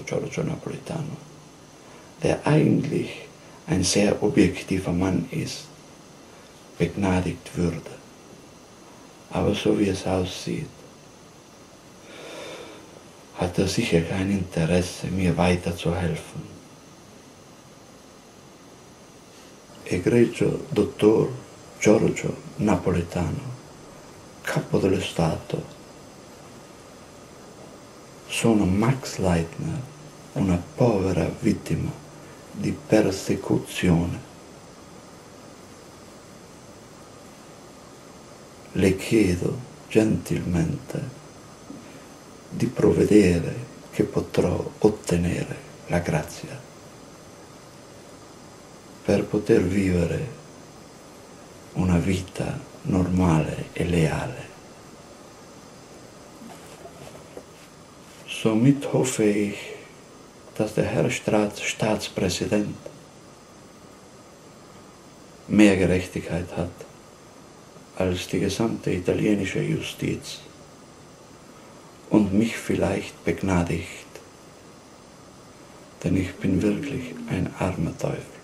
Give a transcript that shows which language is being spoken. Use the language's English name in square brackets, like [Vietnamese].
[German] Giorgio Napolitano, der eigentlich ein sehr objektiver Mann ist, begnadigt würde. Aber so wie es aussieht, hat er sicher kein Interesse, mir weiterzuhelfen. [Italian] Egregio Dottor Giorgio Napolitano, Capo dello Stato, sono Max Leitner, una povera vittima di persecuzione. Le chiedo gentilmente di provvedere che potrò ottenere la grazia per poter vivere una vita normale e leale. [German] Somit hoffe ich, dass der Herr Staatspräsident mehr Gerechtigkeit hat als die gesamte italienische Justiz und mich vielleicht begnadigt, denn ich bin wirklich ein armer Teufel.